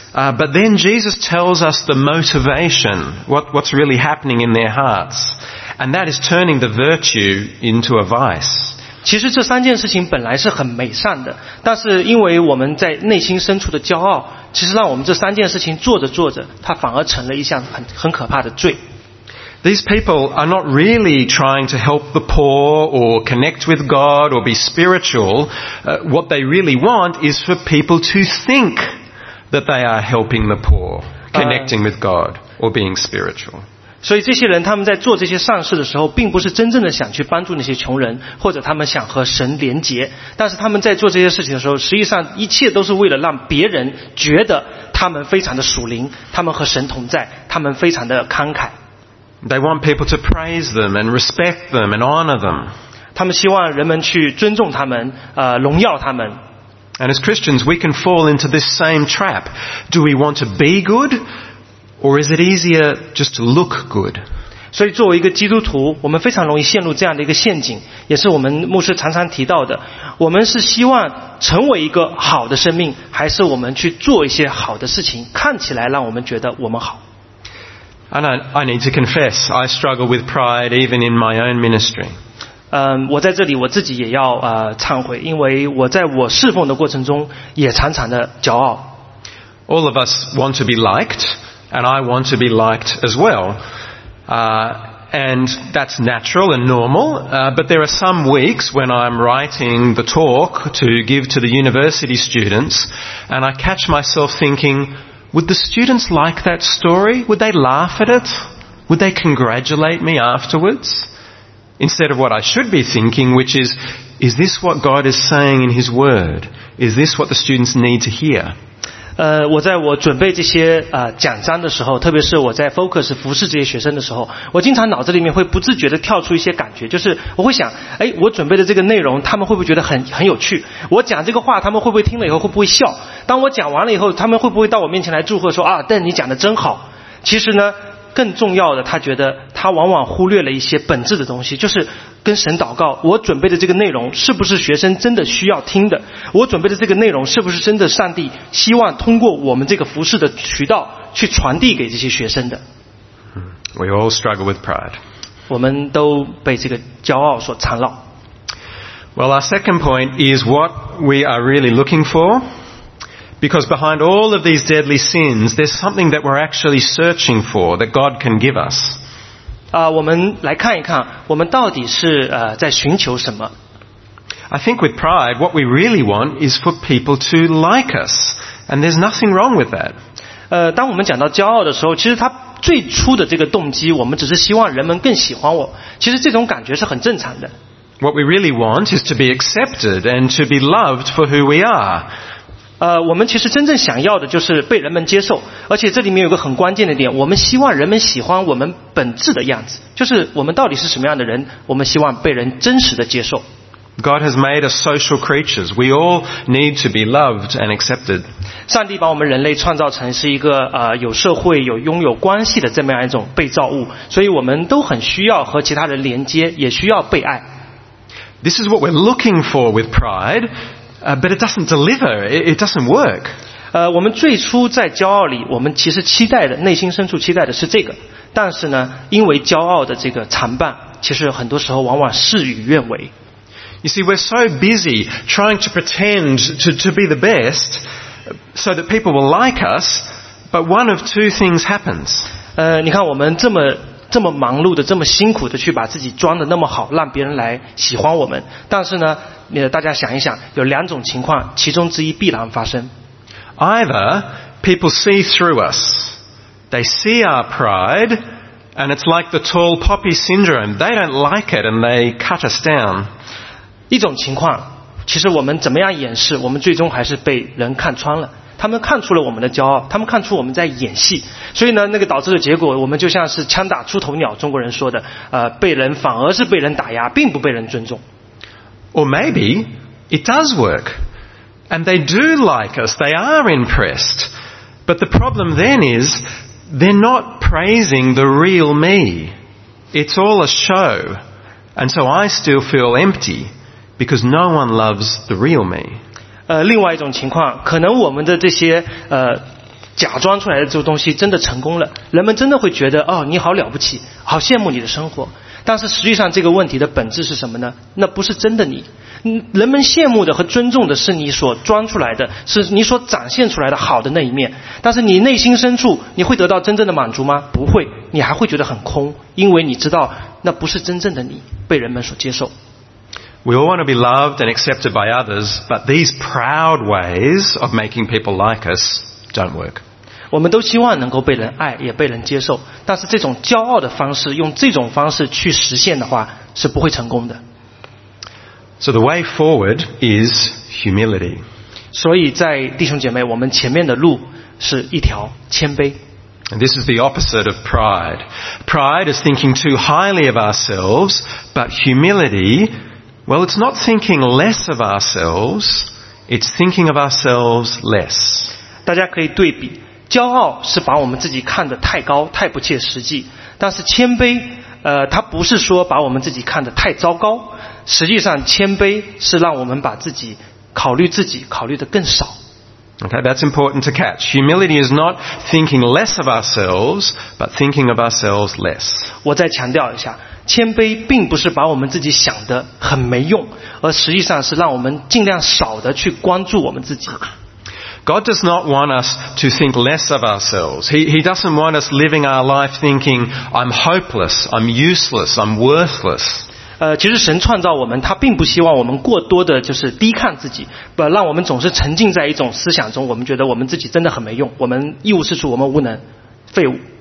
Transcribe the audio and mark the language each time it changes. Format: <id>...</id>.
<en>But then Jesus tells us the motivation, what's really happening in their hearts. And that is turning the virtue into a vice.</en> <zh>其实这三件事情本来是很美善的，但是因为我们在内心深处的骄傲，其实让我们这三件事情做着做着，它反而成了一项很可怕的罪。</zh> <en>These people are not really trying to help the poor or connect with God or be spiritual. What they really want is for people to think that they are helping the poor, connecting with God or being spiritual.</en> <zh>所以这些人他们在做这些善事的时候，并不是真正的想去帮助那些穷人，或者他们想和神连结。但是他们在做这些事情的时候，实际上一切都是为了让别人觉得他们非常的属灵，他们和神同在，他们非常的慷慨。</zh> <en>They want people to praise them and respect them and honor them.</en> <zh>他们希望人们去尊重他们，荣耀他们。</zh> <en>And as Christians, we can fall into this same trap. Do we want to be good, or is it easier just to look good?</en> <zh>所以作为一个基督徒，我们非常容易陷入这样的一个陷阱，也是我们牧师常常提到的。我们是希望成为一个好的生命，还是我们去做一些好的事情，看起来让我们觉得我们好？</zh> <en>And I need to confess, I struggle with pride even in my own ministry.</en> <zh>我在这里我自己也要忏悔，因为我在我侍奉的过程中也常常的骄傲。</zh> <en>All of us want to be liked, and I want to be liked as well. And that's natural and normal, but there are some weeks when I'm writing the talk to give to the university students, and I catch myself thinking,Would the students like that story? Would they laugh at it? Would they congratulate me afterwards? Instead of what I should be thinking, which is this what God is saying in His Word? Is this what the students need to hear?</en> <zh>我在我准备这些讲章的时候，特别是我在 focus 服侍这些学生的时候，我经常脑子里面会不自觉地跳出一些感觉，就是我会想，哎，我准备的这个内容，他们会不会觉得很有趣？我讲这个话，他们会不会听了以后会不会笑？当我讲完了以后，他们会不会到我面前来祝贺说啊，但你讲的真好？其实呢，更重要的，他觉得他往往忽略了一些本质的东西，就是。跟神祷告，我准备的这个内容是不是学生真的需要听的？我准备的这个内容是不是真的上帝希望通过我们这个服事的渠道去传递给这些学生的</zh> <en>？We all struggle with pride.</en> <zh>我们都被这个骄傲所缠绕。</zh> <en>Well, our second point is what we are really looking for, because behind all of these deadly sins, there's something that we're actually searching for that God can give us.</en> <zh>我们来看一看我们到底是在寻求什么。</zh> <en>I think with pride, what we really want is for people to like us, and there's nothing wrong with that.</en> <zh>当我们讲到骄傲的时候，其实它最初的这个动机，我们只是希望人们更喜欢我，其实这种感觉是很正常的。</zh> <en>What we really want is to be accepted and to be loved for who we are.</en> <zh>我们其实真正想要的就是被人们接受，而且这里面有个很关键的点，我们希望人们喜欢我们本质的样子，就是我们到底是什么样的人，我们希望被人真实的接受。</zh> <en>God has made us social creatures. We all need to be loved and accepted.</en> <zh>上帝把我们人类创造成是一个有社会有拥有关系的这么样一种被造物，所以我们都很需要和其他人连接，也需要被爱。</zh> <en>This is what we're looking for with pride. But it doesn't deliver. It doesn't work.</en> <zh>我们最初在骄傲里，我们其实期待的，内心深处期待的是这个。但是呢，因为骄傲的这个缠绊，其实很多时候往往事与愿违。</zh> <en>You see, we're so busy trying to pretend to be the best, so that people will like us. But one of two things happens.</en> <zh>你看我们这么忙碌的，这么辛苦的去把自己装得那么好，让别人来喜欢我们。但是呢。大家想一想，有两种情况，其中之一必然发生。</zh> <en>Either people see through us, they see our pride, and it's like the tall poppy syndrome. They don't like it, and they cut us down.</en> <zh>一种情况，其实我们怎么样掩饰，我们最终还是被人看穿了。他们看出了我们的骄傲，他们看出我们在演戏。所以呢，那个导致的结果，我们就像是枪打出头鸟，中国人说的，被人反而是被人打压，并不被人尊重。</zh> <en>Or maybe it does work, and they do like us, they are impressed. But the problem then is, they're not praising the real me. It's all a show. And so I still feel empty, because no one loves the real me.</en> <zh>另外一种情况，可能我们的这些假装出来的这个东西真的成功了，人们真的会觉得，哦，你好了不起，好羡慕你的生活。但是实际上这个问题的本质是什么呢？那不是真的你。人们羡慕的和尊重的是你所装出来的，是你所展现出来的好的那一面。但是你内心深处，你会得到真正的满足吗？不会，你还会觉得很空，因为你知道那不是真正的你被人们所接受。</zh> <en>We all want to be loved and accepted by others, but these proud ways of making people like us don't work.</en> <zh>我们都希望能够被人爱，也被人接受，但是这种骄傲的方式，用这种方式去实现的话，是不会成功的。</zh> <en>So the way forward is humility.</en> <zh>所以在弟兄姐妹，我们前面的路是一条谦卑。</zh> <en>And this is the opposite of pride. Pride is thinking too highly of ourselves, but humility, well, it's not thinking less of ourselves, it's thinking of ourselves less.</en> <zh>大家可以对比，骄傲是把我们自己看得太高，太不切实际，但是谦卑，它不是说把我们自己看得太糟糕，实际上谦卑是让我们把自己考虑自己考虑得更少。</zh> <en>Okay, that's important to catch. Humility is not thinking less of ourselves, but thinking of ourselves less.</en> <zh>我再强调一下，谦卑并不是把我们自己想得很没用，而实际上是让我们尽量少的去关注我们自己。</zh> <en>God does not want us to think less of ourselves. He doesn't want us living our life thinking, I'm hopeless, I'm useless, I'm worthless.</en> <zh>其实神创造我们，他并不希望我们过多的就是低看自己，不让我们总是沉浸在一种思想中，我们觉得我们自己真的很没用，我们一无是处，我们无能，废物。</zh>